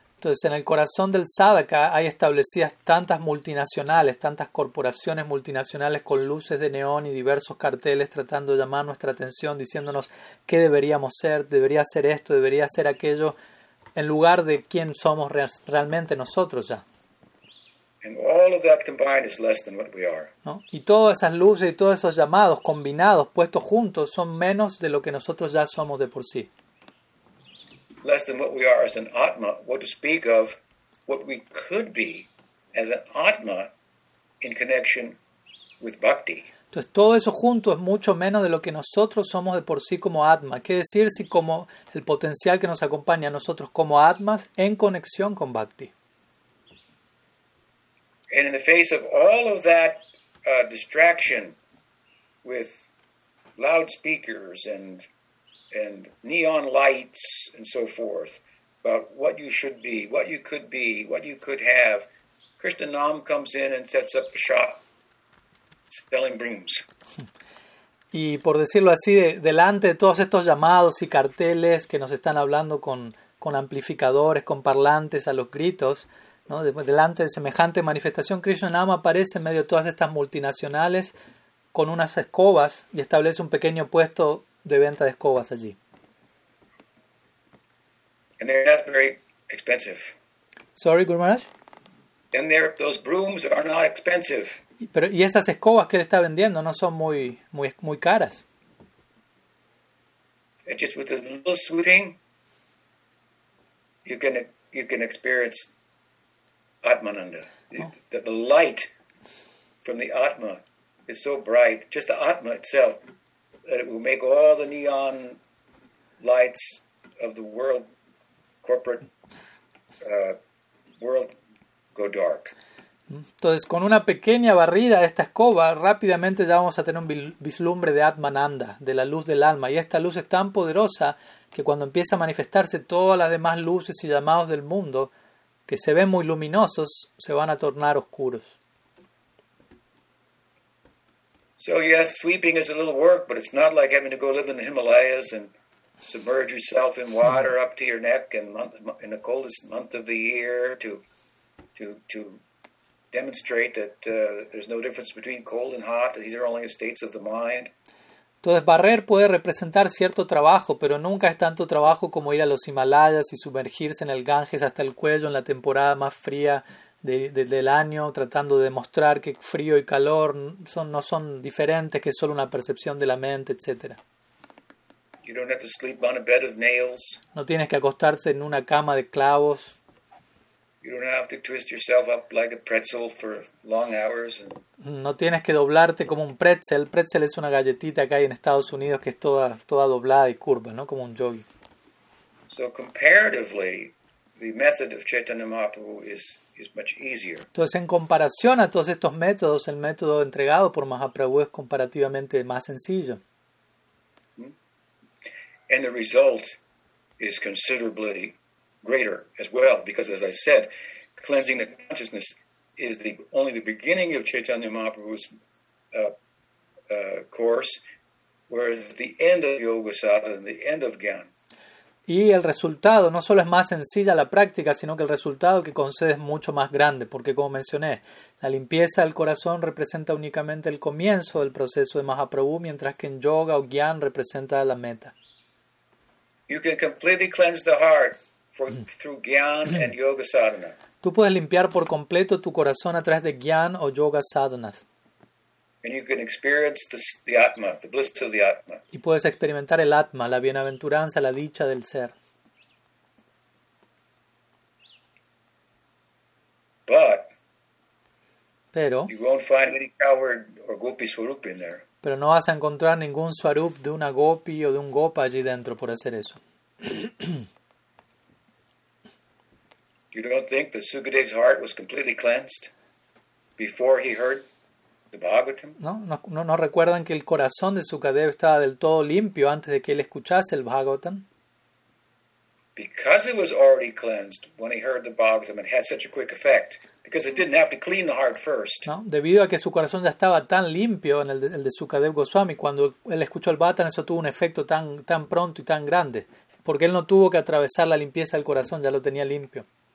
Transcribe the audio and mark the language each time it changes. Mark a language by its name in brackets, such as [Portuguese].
[Spanish] Entonces, en el corazón del sadhaka hay establecidas tantas multinacionales, tantas corporaciones multinacionales con luces de neón y diversos carteles tratando de llamar nuestra atención, diciéndonos qué deberíamos ser, debería ser esto, debería ser aquello, en lugar de quién somos realmente nosotros ya. [English] And all of that combined is less than what we are. [Spanish] ¿No? Y todas esas luces y todos esos llamados combinados, puestos juntos, son menos de lo que nosotros ya somos de por sí. [English] Less than what we are as an Atma, what to speak of what we could be as an Atma in connection with bhakti. [Spanish] Entonces todo eso junto es mucho menos de lo que nosotros somos de por sí como Atma. ¿Qué decir si como el potencial que nos acompaña a nosotros como Atmas en conexión con Bhakti? [English] And in the face of all of that distraction with loudspeakers and neon lights and so forth about what you should be, what you could have, Krishna Nam comes in and sets up a shop selling brooms. [Spanish] Y por decirlo así, delante de todos estos llamados y carteles que nos están hablando con amplificadores, con parlantes a los gritos, ¿no? Delante de semejante manifestación, Krishna Nama aparece en medio de todas estas multinacionales con unas escobas y establece un pequeño puesto de venta de escobas allí. [English] And they're not very expensive. Sorry, Guru Maharaj? And they're, those brooms are not expensive. [Spanish] Pero, y esas escobas que él está vendiendo no son muy, muy, muy caras. [English] It's just with a little sweeping, you can experience Atmananda. Oh. The light from the Atma is so bright, just the Atma itself, that it will make all the neon lights of the world, corporate world, go dark. [Spanish] Entonces, con una pequeña barrida de esta escoba, rápidamente ya vamos a tener un vislumbre de Atmananda, de la luz del alma. Y esta luz es tan poderosa que cuando empieza a manifestarse todas las demás luces y llamados del mundo, que se ven muy luminosos, se van a tornar oscuros. [English] So yes, sweeping is a little work, but it's not like having to go live in the Himalayas and submerge yourself in water up to your neck in the coldest month of the year to demonstrate that there's no difference between cold and hot. These are only states of the mind. [Spanish] Entonces, barrer puede representar cierto trabajo, pero nunca es tanto trabajo como ir a los Himalayas y sumergirse en el Ganges hasta el cuello en la temporada más fría del año, tratando de demostrar que frío y calor no son diferentes, que es solo una percepción de la mente, etc. [English] You don't have to sleep on a bed of nails. [Spanish] No tienes que acostarse en una cama de clavos. [English] You don't have to twist yourself up like a pretzel for long hours. [Spanish] No tienes que doblarte como un pretzel. El pretzel es una galletita que hay en Estados Unidos que es toda doblada y curva, ¿no? Como un yogi. [English] So comparatively, the method of Chaitanya Mahaprabhu is much easier. [Spanish] Entonces, en comparación a todos estos métodos, el método entregado por Mahaprabhu es comparativamente más sencillo. [English] And the result is considerably greater as well, because as I said, cleansing the consciousness is only the beginning of Chaitanya Mahaprabhu's course, whereas the end of Yoga Sadhana and the end of Gyan. [Spanish] Y el resultado no solo es más sencilla la práctica, sino que el resultado que concede es mucho más grande, porque como mencioné, la limpieza del corazón representa únicamente el comienzo del proceso de Mahaprabhu, mientras que en Yoga o Gyan representa la meta. [English] You can completely cleanse the heart through Gyan and Yoga Sadhana. [Spanish] Tú puedes limpiar por completo tu corazón a través de Gyan o Yoga Sadhanas. [English] And you can experience the Atma, the bliss of the Atma. [Spanish] Y puedes experimentar el Atma, la bienaventuranza, la dicha del ser. Pero [English] you won't find any coward or gopi swarup in there. [Spanish] Pero no vas a encontrar ningún swarup de una gopi o de un gopa allí dentro por hacer eso. [English] You don't think that Sukadev's heart was completely cleansed before he heard the Bhagavatam? [Spanish] No recuerdan que el corazón de Sukadev estaba del todo limpio antes de que él escuchase el Bhagavatam? [English] Because it was already cleansed when he heard the Bhagavatam, it had such a quick effect. Because it didn't have to clean the heart first. [Spanish] No, debido a que su corazón ya estaba tan limpio en el de Sukadev Goswami, cuando él escuchó el Bhagavatam, eso tuvo un efecto tan pronto y tan grande. Porque él no tuvo que atravesar la limpieza del corazón, ya lo tenía limpio.